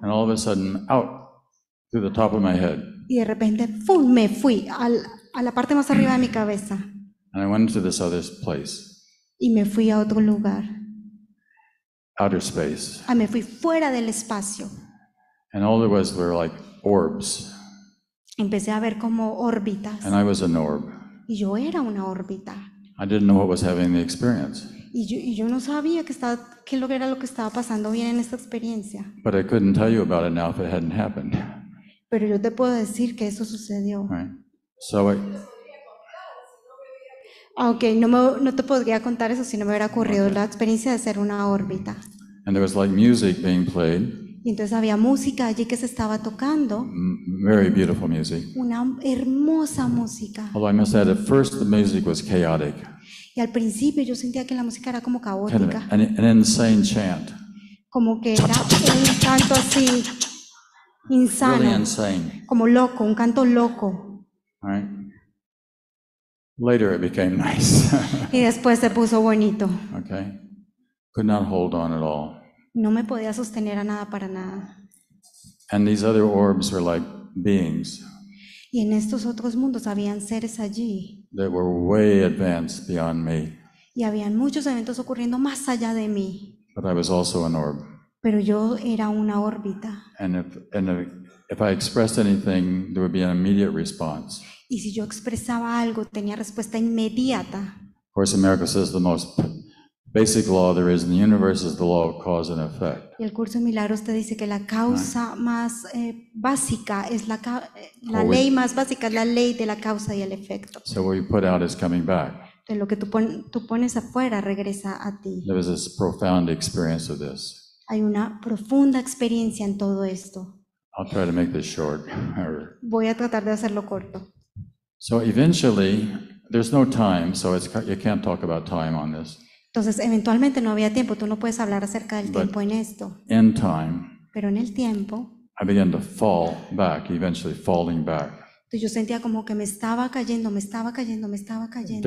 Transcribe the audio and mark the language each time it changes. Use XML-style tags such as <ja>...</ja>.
<en>And all of a sudden, out through the top of my head.</en> <es>Y de repente, ¡fum!, me fui a la parte más arriba de mi cabeza.</es> <en>And I went to this other place.</en> <es>Y me fui a otro lugar.</es> <en>Outer space.</en> <es>Ah, me fui fuera del espacio.</es> <en>And all there was were like orbs.</en> <es>Empecé a ver como órbitas.</es> <en>And I was an orb.</en> <es>Y yo era una órbita.</es> <en>I didn't know what was having the experience.</en> <es>Y yo no sabía que estaba, que lo que era lo que estaba pasando bien en esta experiencia.</es> <en>But I couldn't tell you about it now if it hadn't happened.</en> <es>Pero yo te puedo decir que eso sucedió.</es> <en>Right. So</en> <es>okay, no te podría contar eso si no me hubiera ocurrido okay. La experiencia de hacer una órbita.</es> <en>And there was like music being played.</en> <es>Y entonces había música allí que se estaba tocando.</es> <en>Very beautiful music.</en> <es>Una hermosa música.</es> <en>Although I must add, at first the music was chaotic.</en> <es>Y al principio yo sentía que la música era como caótica.</es> <en>Kind of an insane chant.</en> <es>Como que era un canto así insano.</es> <en>Really insane.</en> <es>Como loco, un canto loco.</es> <en>Right. Later it became nice.</en> <es>Y después se puso bonito.</es> <en>Okay. Could not hold on at all.</en> <es>No me podía sostener a nada para nada.</es> <en>And these other orbs were like beings.</en> <es>Y en estos otros mundos habían seres allí.</es> <en>They were way advanced beyond me.</en> <es>Y habían muchos eventos ocurriendo más allá de mí.</es> <en>But I was also an orb.</en> <es>Pero yo era una órbita.</es> <en>And if I expressed anything, there would be an immediate response.</en> <es>Y si yo expresaba algo, tenía respuesta inmediata.</es> <en>Of course, America says the most basic law there is in the universe is the law of cause and effect.</en> <es>Y el curso de milagros te dice que la causa right. más básica es la</es> <en>always.</en> <es>Ley más básica es la ley de la causa y el efecto.</es> <en>So what you put out is coming back.</en> <es>De lo que tú pones afuera regresa a ti.</es> <en>There is this profound experience of this.</en> <es>Hay una profunda experiencia en todo esto.</es> <en>I'll try to make this short.</en> <es>Voy a tratar de hacerlo corto.</es> <en>So eventually, there's no time, so it's you can't talk about time on this.</en> <es>Entonces, eventualmente no había tiempo. Tú no puedes hablar acerca del tiempo en esto.</es> <en>In time,</en> <es>pero en el tiempo,</es> <en>I began to fall back, eventually falling back.</en> <es>Yo sentía como que me estaba cayendo, me estaba cayendo, me estaba cayendo.</es>